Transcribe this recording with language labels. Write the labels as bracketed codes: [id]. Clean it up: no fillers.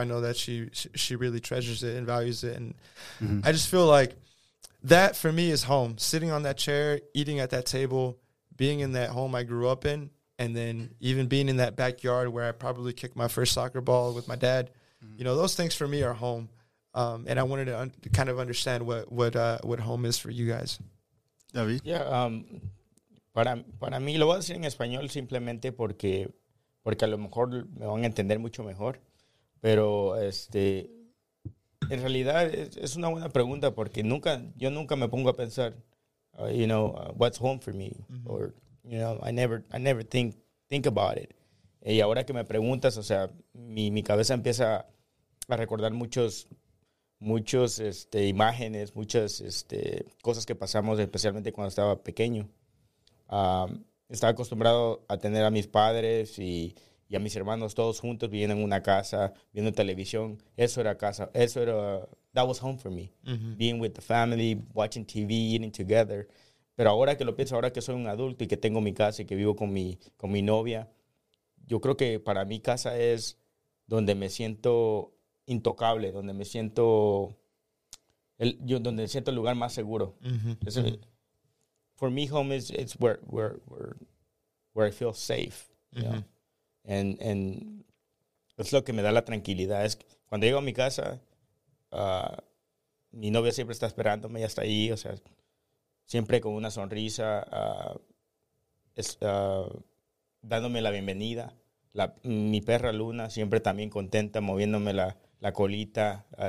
[en] I know that she really treasures it and values it. And I just feel like that for me is home, sitting on that chair, eating at that table, being in that home I grew up in. And then even being in that backyard where I probably kicked my first soccer ball with my dad, you know, those things for me are home. And I wanted to kind of understand what home is for you guys. David? Yeah. [es] Para mí, lo voy a decir en español simplemente porque a lo mejor me van a entender mucho mejor. Pero, en realidad, es una buena pregunta porque yo nunca me pongo a pensar, [en] you know, what's home for me? [es] Mm-hmm. [en] Or, you know, I never think about it. [es] Y ahora que me preguntas, o sea, mi cabeza empieza a recordar muchos imágenes, muchas cosas que pasamos, especialmente cuando estaba pequeño. estaba acostumbrado a tener a mis padres y a mis hermanos todos juntos viviendo en una casa, viendo televisión. Eso era casa. Eso era, [en] that was home for me. [es] Mm-hmm. [en] Being with the family, watching TV, eating together. [es] Pero ahora que lo pienso, ahora que soy un adulto y que tengo mi casa y que vivo con mi novia, yo creo que para mí casa es donde me siento intocable, donde me siento el, yo, donde siento el lugar más seguro. Mm-hmm. Es el, mm-hmm. [en] For me, home is it's where I feel safe. [es] Mm-hmm. [en] And [es] es lo que me da la tranquilidad. Es cuando llego a mi casa, mi novia siempre está esperándome, ya está ahí, o sea, siempre con una sonrisa, dándome la bienvenida. La, mi perra Luna siempre también contenta, moviéndome la, la colita.